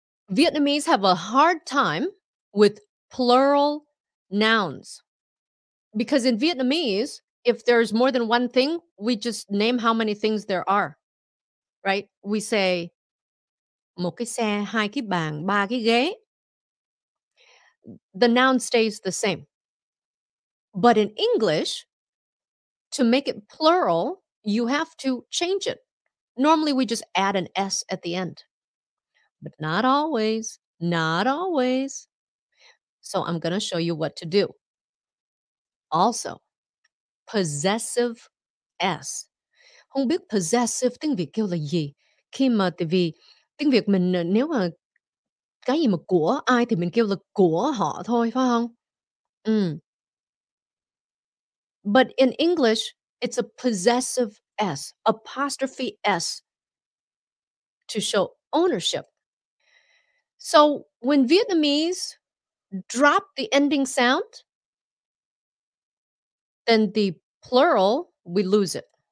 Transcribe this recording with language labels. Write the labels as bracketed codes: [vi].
[en] Vietnamese have a hard time with plural nouns. Because in Vietnamese, if there's more than one thing, we just name how many things there are. Right? We say, [vi] một cái xe, hai cái bàn, ba cái ghế. [en] The noun stays the same. But in English, to make it plural, you have to change it. Normally, we just add an S at the end. But not always. Not always. So I'm going to show you what to do. Also, possessive S. [vi] Không biết possessive tiếng Việt kêu là gì? Khi mà tại vì tiếng Việt mình nếu mà cái gì mà của ai thì mình kêu là của họ thôi, phải không? [en] But in English, it's a possessive S, apostrophe S, to show ownership. So when Vietnamese drop the ending sound, then the plural, we lose it.